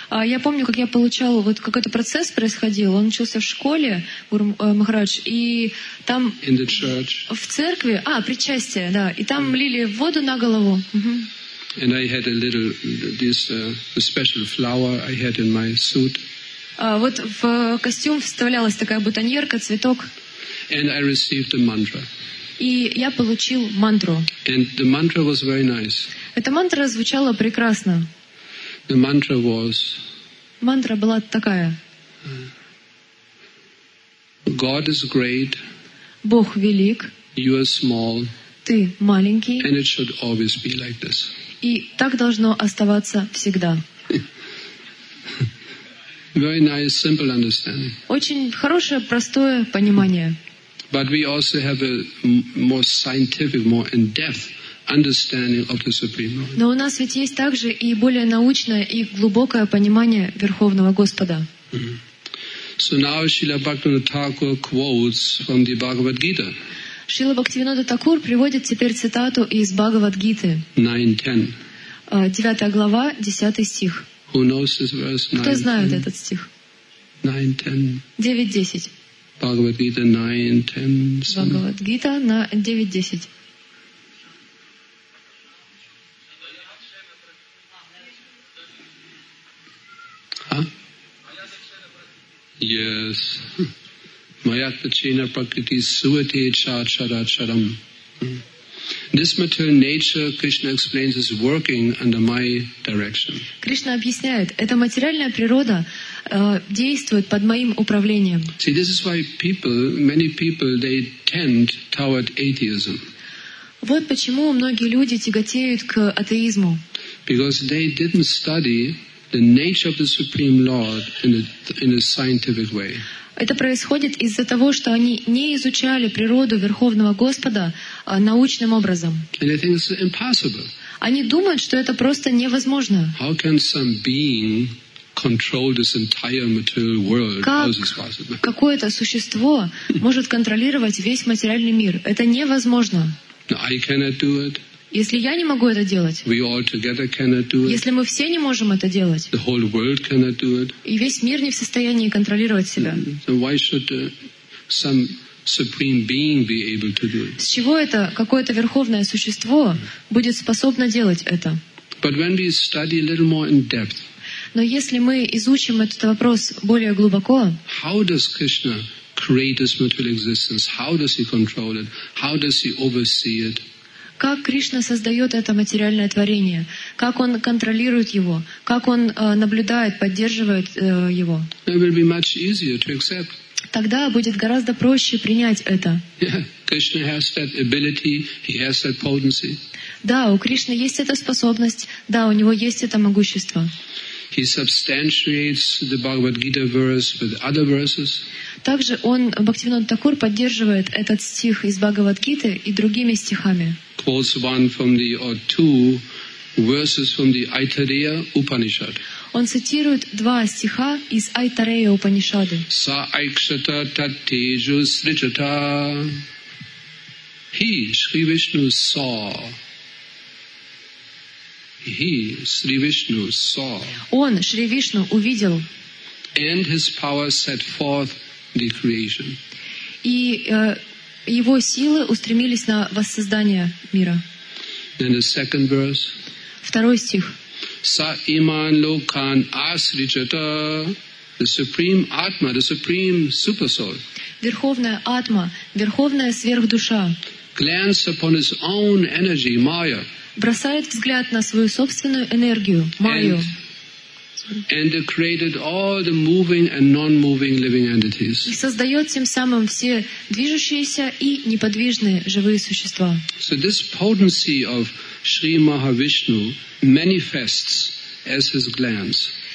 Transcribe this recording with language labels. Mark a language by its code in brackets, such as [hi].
[ru] Я помню, как я получала, вот какой-то процесс происходил, он начался в школе, Гуру Махарадж, и там... [en] In the church. [ru] В церкви, а, причастие, да, и там лили воду на голову. [en] And I had a little, this special flower I had in my suit. [ru] Вот в костюм вставлялась такая бутоньерка, цветок. [en] And I received a mantra. [ru] И я получил мантру. [en] And the mantra was very nice. [ru] Эта мантра звучала прекрасно. [en] The mantra was... [ru] Мантра была такая. [en] God is great. [ru] Бог велик. [en] You are small. [ru] Ты маленький. [en] And it should always be like this. [ru] И так должно оставаться всегда. [en] Very nice, simple understanding. [ru] Очень хорошее, простое понимание. [en] But we also have a more scientific, more in-depth understanding of the Supreme Lord. [ru] Но у нас ведь есть также и более научное и глубокое понимание Верховного Господа. [en] So now Srila Bhaktivinoda Thakur quotes from the Bhagavad Gita. [ru] Шрила Бхактивинода Такур приводит теперь цитату из Бхагавад-гиты. [en] 9:10. [ru] 9 глава, 10 стих. [en] Who knows this verse? 9, [ru] кто знает 10? Этот стих? 9:10. Бхагавад-гита 9:10. Бхагавад-гита 9:10. [sa] Yes. Mayatvachena prakriti suvate chacharacharam. [en] This material nature, Krishna explains, is working under my direction. [ru] Кришна объясняет, эта материальная природа действует под моим управлением. [en] See, this is why people, many people, they tend toward atheism. [ru] Вот почему многие люди тяготеют к атеизму. [en] Because they didn't study the nature of the Supreme Lord in a scientific way. [ru] Это происходит из-за того, что они не изучали природу Верховного Господа научным образом. [en] And I think it's impossible. [ru] Они думают, что это просто невозможно. [en] How can some being control this entire material world? How is this possible? [ru] Как какое-то существо может контролировать весь материальный мир? Это невозможно. [en] I cannot do it. [ru] Если я не могу это делать, [en] we all together cannot do it. [ru] Если мы все не можем это делать, [en] the whole world cannot do it. [ru] И весь мир не в состоянии контролировать себя, [en] so why should some supreme being be able to do it? [ru] С чего это какое-то верховное существо будет способно делать это? [en] But when we study a little more in depth, [ru] но если мы изучим этот вопрос более глубоко, [en] how does Krishna create this material existence? How does he control it? How does he oversee it? [ru] Как Кришна создает это материальное творение? Как Он контролирует его? Как Он наблюдает, поддерживает его? [en] It will be much easier to accept. [ru] Тогда будет гораздо проще принять это. [en] Yeah. Krishna has that ability, he has that potency. [ru] Да, у Кришны есть эта способность, да, у Него есть это могущество. [en] He substantiates the Bhagavad Gita verse with other verses. [ru] Также он, Бхактивинода Такур, поддерживает этот стих из Бхагавад-гиты и другими стихами. [en] Quotes one from the or two verses from the Aitareya Upanishad. [ru] Он цитирует два стиха из Айтарея Упанишады. [sa] Sa aikshata tattejo srichata. [en] He, Sri Vishnu, saw. He, Sri Vishnu, saw. [ru] Он, Шри Вишну, увидел. [en] And his power set forth the creation. [ru] И его силы устремились на воссоздание мира. [en] And the second verse. [ru] Второй стих. [sa] Sa iman lokan asrichata. [en] The supreme atma, the supreme supersoul. [ru] Верховная атма, верховная сверхдуша. [en] Glance upon his own energy, Maya. [ru] Бросает взгляд на свою собственную энергию, Майю. [en] And created all the moving and non-moving living entities. [ru] И создает тем самым все движущиеся и неподвижные живые существа. [en] So this potency of Sri Mahavishnu manifests as his glance.